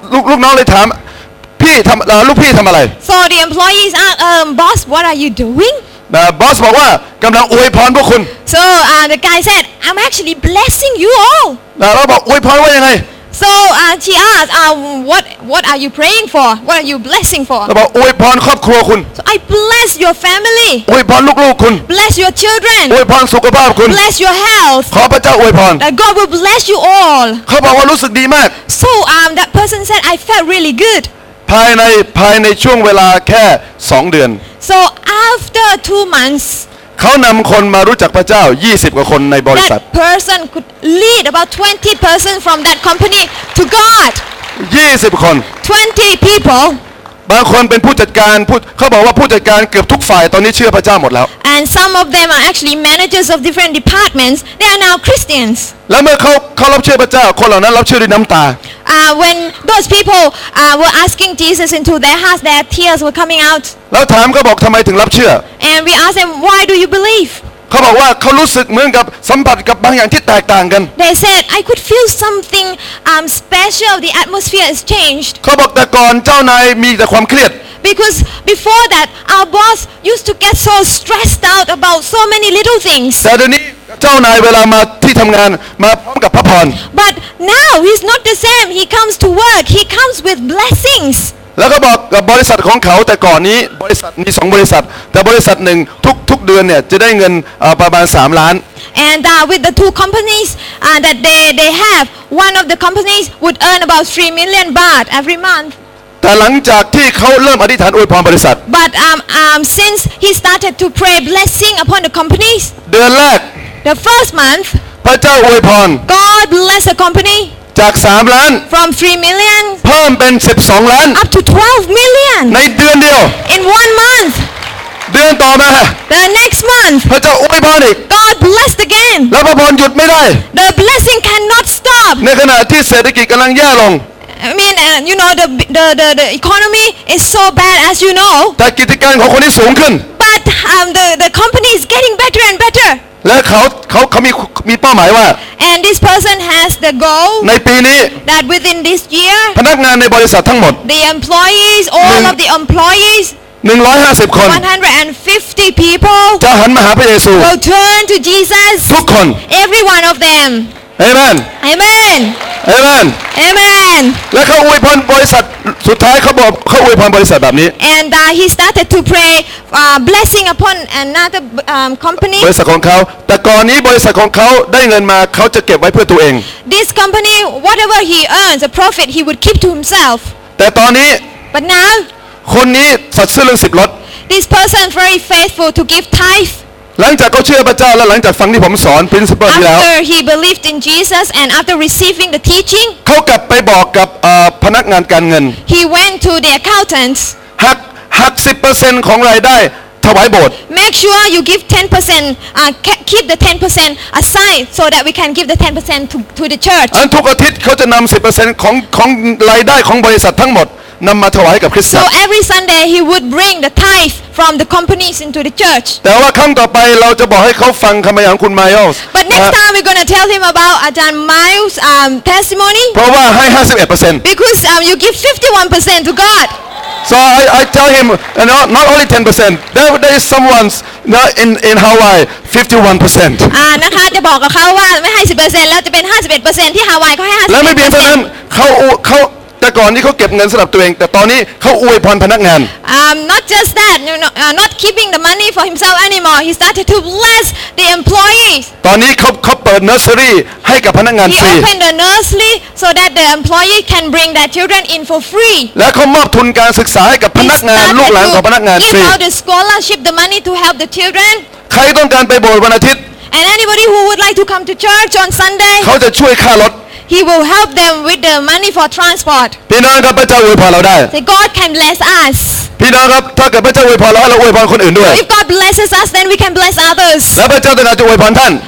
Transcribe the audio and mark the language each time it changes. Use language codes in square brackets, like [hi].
[th] ลูกน้องเลยถามพี่ทำลูกพี่ทำอะไร [en] So the employees are boss what are you doing The boss [th] บอกว่ากำลังอวยพรพวกคุณ [en] So the guy said I'm actually blessing you all [th] แล้วบอกอวยพรว่ายังไง [en] So she asked what are you praying for what are you blessing for [th] แล้วบอกอวยพรครอบครัวคุณ [en] So I bless your family [th] อวยพรลูกๆคุณ [en] Bless your children [th] อวยพรสุขภาพคุณ [en] Bless your health [th] ขอพระเจ้าอวยพร [en] That God will bless you all [th] เขาบอกว่ารู้สึกดีมาก [en] So that person said I felt really good [th] ภายในช่วงเวลาแค่2เดือน [en] So after 2 months [th] เขานำคนมารู้จักพระเจ้า20กว่าคนในบริษัท [en] That person could lead about 20 person from that company to God [th] 20คน [en] 20 people [th] บางคนเป็นผู้จัดการเขาบอกว่าผู้จัดการเกือบทุกฝ่ายตอนนี้เชื่อพระเจ้าหมดแล้ว [en] And some of them are actually managers of different departments they are now Christians [th] แล้วเมื่อเขารับเชื่อพระเจ้าคนเหล่านั้นรับเชื่อด้วยน้ำตา [en] When those people were asking Jesus into their hearts, their tears were coming out. [th] แล้วถามก็บอกทำไมถึงรับเชื่อ [en] And we asked them, why do you believe? [th] เขาบอกว่าเขารู้สึกเหมือนกับสัมผัสกับบางอย่างที่แตกต่างกัน [en] They said, I could feel something special. The atmosphere has changed. [th] เขาบอกแต่ก่อนเจ้านายมีแต่ความเครียด [en] Because before that, our boss used to get so stressed out about so many little things. [th] แต่เดี๋ยวนี้เจ้านายเวลามาที่ทำงานมาพร้อมกับพระพร [en] But now he's not the same. He comes to work. He comes with blessings. [th] แล้วก็บอกกับบริษัทของเขาแต่ก่อนนี้บริษัทมี2บริษัทแต่บริษัทหนึ่งทุกเดือนเนี่ยจะได้เงินประมาณ3ล้าน [en] And with the two companies that they have, one of the companies would earn about 3 million baht every month. [th] แต่หลังจากที่เขาเริ่มอธิษฐานอวยพรบริษัท [en] But since he started to pray blessing upon the companies [th] เดือนแรก [en] The first month [th] พระเจ้าอวยพร [en] God bless the company [th] จาก3ล้าน [en] From 3 million [th] เพิ่มเป็น12ล้าน [en] Up to 12 million [th] ในเดือนเดียว [en] In 1 month [th] เดือนต่อมา [en] The next month [th] พระเจ้าอวยพรอีก [en] God blessed again [th] แล้วพระพรหยุดไม่ได้ [en] The blessing cannot stop [th] ในขณะที่เศรษฐกิจกำลังแย่ลง [en] I mean, you know, the economy is so bad, as you know. [th] แต่กิจการของคนนี้สูงขึ้น [en] But the company is getting better and better. [th] และเขามีเป้าหมายว่า [en] And this person has the goal. [th] ในปีนี้ [en] That within this year. [th] พนักงานในบริษัททั้งหมด [en] The employees, all of the employees. [th] 150คน [en] 150 people. [th] จะหันมาหาพระเยซู [en] Will turn to Jesus. [th] ทุกคน [en] Every one of them. Amen. Amen. Amen. Amen. [th] แล้วเขาอวยพรบริษัทสุดท้ายเขาบอกเขาอวยพรบริษัทแบบนี้ [en] And he started to pray blessing upon another company. [th] บริษัทของเขาแต่ก่อนนี้บริษัทของเขาได้เงินมาเขาจะเก็บไว้เพื่อตัวเอง [en] This company, whatever he earns, a profit he would keep to himself. [th] แต่ตอนนี้ [en] But now, [th] คนนี้สัตย์ซื่อเรื่องสิบลด [en] This person very faithful to give tithe. [th] หลังจากเขาเชื่อพระเจ้าแล้วหลังจากฟังที่ผมสอน principle นี้แล้ว [en] After he believed in Jesus and after receiving the teaching [th] เขากลับไปบอกกับพนักงานการเงิน [en] He went to the accountants [th] หัก 10% ของรายได้ถวายโบสถ์ [en] Make sure you give 10% keep the 10% aside so that we can give the 10% to the church [th] ทุกอาทิตย์เขาจะนํา 10% ของรายได้ของบริษัททั้งหมดนํามาถวายกับคริสตจัก ร [en] So every Sunday he would bring the tithe from the companies into the church [th] แต่ว่าครั้งต่อไปเราจะบอกให้เขาฟังคําพยานของคุณ Miles [en] But next time we're going to tell him about อาจารย์ Miles testimony [th] เพราะว่าให้ 51% [en] Because you give 51% to God So I tell him, you know, not only 10%. There is someone's in Hawaii 51%. [th] นะคะจะบอกกับเขาว่าไม่ให้ 10% แล้วจะเป็น 51% ที่ฮาวายเขาให้ 51% แล้วไม่เพียงเท่านั้นเขาแต่ก่อนนี้เขาเก็บเงินสำหรับตัวเองแต่ตอนนี้เขาอวยพรพนักงาน [en] Not just that, you know, not keeping the money for himself anymore. He started to bless the employees. [th] ตอนนี้เขาเปิด nursery ให้กับพนักงานฟรี [en] He opened a nursery so that the employee can bring their children in for free. [th] และเขามอบทุนการศึกษาให้กับพนักงานลูกหลานของพนักงานฟรี [en] He gave out the scholarship, the money to help the children. [th] ใครต้องการไปโบสถ์วันอาทิตย์ [en] And anybody who would like to come to church on Sunday. [th] เขาจะช่วยค่ารถ [en] He will help them with the money for transport. [th] พี่น้องครับพระเจ้าอวยพรเราได้ [en] Say God can bless us. [th] พี่น้องครับถ้าเกิดพระเจ้าอวยพรเราเราอวยพรคนอื่นด้วย [en] If God blesses us, then we can bless others. [th] และพระเจ้าต้องการจะอวยพรท่าน